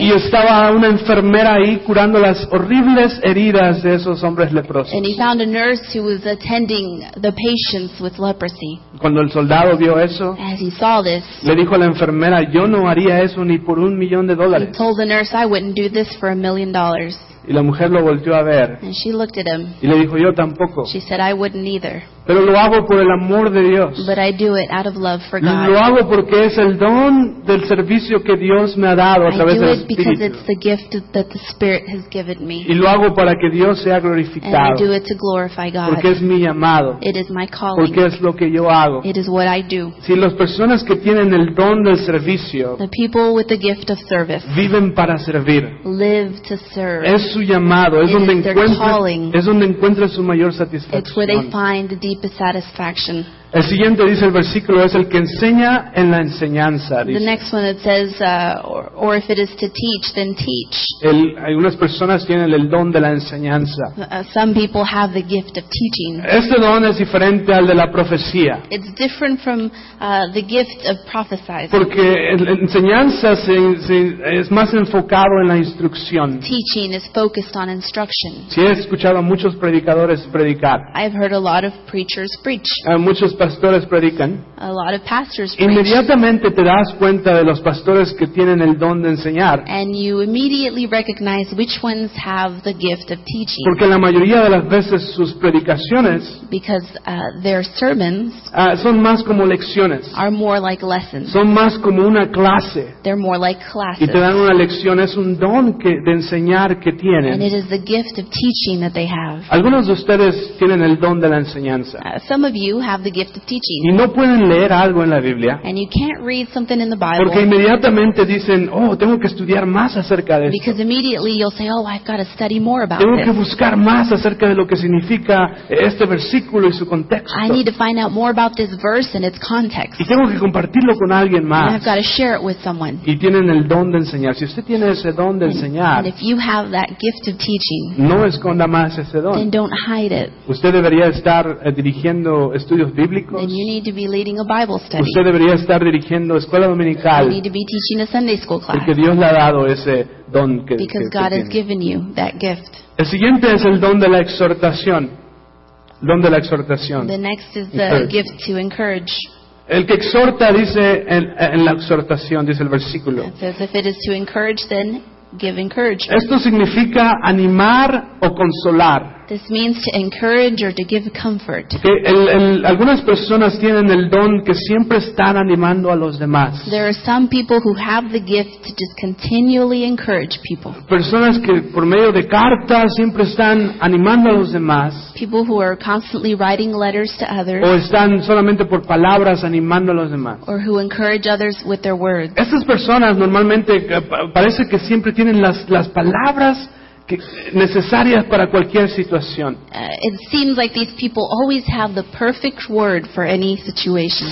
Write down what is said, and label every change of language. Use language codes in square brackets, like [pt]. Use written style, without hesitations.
[es] Y estaba una enfermera ahí curando las horribles heridas de esos hombres leprosos. [en] And he found a nurse who was attending the patients with leprosy. [es] Cuando el soldado vio eso, [en] as he saw this, [es] le dijo a la enfermera, yo no haría eso ni por $1,000,000. [en] He told the nurse, I wouldn't do this for $1,000,000. [es] Y la mujer lo volteó a ver. [en] And she looked at him. [es] Y le dijo, yo tampoco. [en] She said, I wouldn't either. [es] Pero lo hago por el amor de Dios. [en] But I do it out of love for God. [es] Lo hago porque es el don del servicio que Dios me ha dado a través del Espíritu. [en] I do it because it's the gift that the Spirit has given me. [es] Y lo hago para que Dios sea glorificado. [en] And I do it to glorify God. [es] Porque es mi llamado. [en] It is my calling. [es] Porque es lo que yo hago. [en] It is what I do. [es] Si las personas que tienen el don del servicio, [en] the people with the gift of service, [es] viven para servir, [en] live to serve, [es] es su llamado, es [en] it [es] donde [en] is their [es] encuentra [en] calling, [es] es donde encuentra su mayor satisfacción. [en] It's where they find the deepest satisfaction. [es] El siguiente dice el versículo es el que enseña en la enseñanza. Dice. [en] The next one it says, or if it is to teach, then teach. [es] Algunas personas tienen el don de la enseñanza. [en] Some people have the gift of teaching. [es] Este don es diferente al de la profecía. [en] It's different from the gift of prophesying. [es] Porque la enseñanza es más enfocado en la instrucción. [en] Teaching is focused on instruction. [es] Sí, he escuchado a muchos predicadores predicar. [en] I've heard a lot of preachers preach. [es] Muchos pastores predican. [en] A lot of pastors preach. [es] Inmediatamente te das cuenta de los pastores que tienen el don de enseñar. [en] And you immediately recognize which ones have the gift of teaching. [es] Porque la mayoría de las veces sus predicaciones [en] Their sermons [es] son más como lecciones. [en] Are more like lessons. [es] Son más como una clase. [en] They're more like classes. [es] Y te dan una lección, es un don de enseñar que tienen. [en] And it is the gift of teaching that they have. [es] Algunos de ustedes tienen el don de la enseñanza. [en] Some of you have the gift of teaching. [es] Y no pueden leer algo en la Biblia. [en] And you can't read something in the Bible. [es] Porque inmediatamente dicen, oh, tengo que estudiar más acerca de esto. [en] Because immediately you'll say, oh, I've got to study more about [es] tengo [en] this. [es] Que buscar más acerca de lo que significa este versículo y su contexto. [en] I need to find out more about this verse and its context. [es] Y tengo que compartirlo con alguien más. [en] And I've got to share it with someone. [es] Y tienen el don de enseñar. Si usted tiene ese don de enseñar, [en] and if you have that gift of teaching, [es] no esconda más ese don. [en] Then don't hide it. [es] Usted debería estar dirigiendo estudios bíblicos. [en] Then you need to be leading a Bible study. [es] Usted debería estar dirigiendo escuela dominical. [en] You need to be teaching a Sunday school class. [es] Porque Dios le ha dado ese don que tiene. [en] Because God has given you that gift. [es] El siguiente es el don de la exhortación. Don de la exhortación. [en] The next is the gift to encourage. [es] El que exhorta dice en la exhortación, dice el versículo. [en] It says if it is to encourage, then give encouragement. [es] Esto significa animar o consolar. [en] This means to encourage or to give comfort. [es] Que algunas personas tienen el don que siempre están animando a los demás. [en] There are some people who have the gift to just continually encourage people. [es] Personas que por medio de cartas siempre están animando a los demás. [en] People who are constantly writing letters to others. [es] O están solamente por palabras animando a los demás. [en] Or who encourage others with their words. [es] Estas personas normalmente parece que siempre tienen las palabras necesarias para cualquier situación. [en] It seems like these people always have the perfect word for any situation.